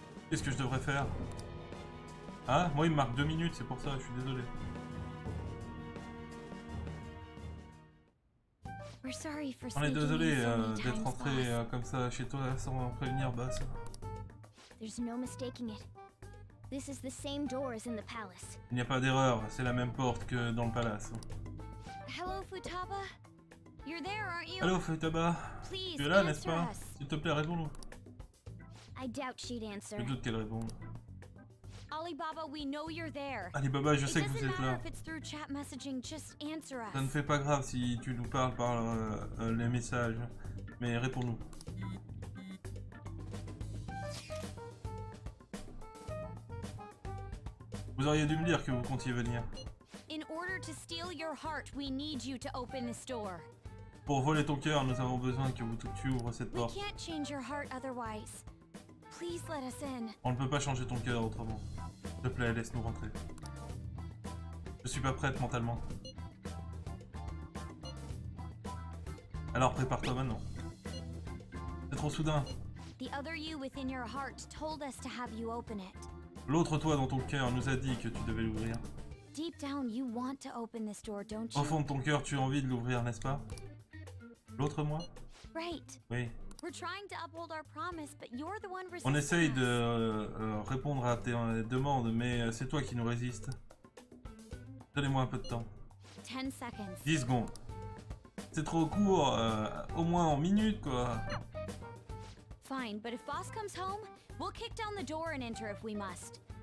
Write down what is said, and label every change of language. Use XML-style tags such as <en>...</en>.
<fr>Qu'est-ce que je devrais faire? Ah, moi, il me marque 2 minutes, c'est pour ça, je suis désolé.</fr> <en>sorry for</en> <fr>on est désolé d'être entré comme ça chez toi sans prévenir Bass.</fr> <en>There's no mistaking it. This is the same door as in the palace.</en> <fr>Il n'y a pas d'erreur, c'est la même porte que dans le palace.</fr> <en>Hello Futaba. You're there, aren't you?</en> <fr>Allô Futaba.</fr> <en>Please,</en> <fr>tu es là, n'est-ce pas? S'il te plaît, réponds-nous.</fr> <en>I doubt she'd answer.</en> <fr>Je doute qu'elle réponde.</fr> <en>Alibaba, we know you're there.</en> <fr>Alibaba, je sais que vous êtes là.</fr> <en>If it's through chat messaging, just answer us.</en> <fr>Ça ne fait pas grave si tu nous parles par les messages, mais réponds-nous. Vous auriez dû me dire que vous comptiez venir.</fr> <en>In order to steal your heart, we need you to open this door.</en> <fr>Pour voler ton cœur, nous avons besoin que vous ouvres cette porte.</fr> <en>We can't change your heart otherwise. Please let us in.</en> <fr>On ne peut pas changer ton cœur autrement. S'il te plaît, laisse-nous rentrer. Je suis pas prête mentalement. Alors prépare-toi maintenant. C'est trop soudain.</fr> <en>The other you within your heart told us to have you open it.</en> <fr>L'autre toi dans ton cœur nous a dit que tu devais l'ouvrir.</fr> <en>Deep down, you want to open this door, don't you?</en> <fr>Au fond de ton cœur, tu as envie de l'ouvrir, n'est-ce pas? L'autre moi?</fr> <en>Right.</en> <fr>Oui.</fr> <en>We're trying to uphold our promise, but you're the one resisting.</en> <fr>On essaye de répondre à tes demandes, mais c'est toi qui nous résistes. Donnez-moi un peu de temps.</fr> <en>10 seconds.</en> <fr>10 secondes. C'est trop court, au moins en minutes, quoi.</fr> <en>Fine, but if boss comes home, we'll kick down the door and enter if we must.</en>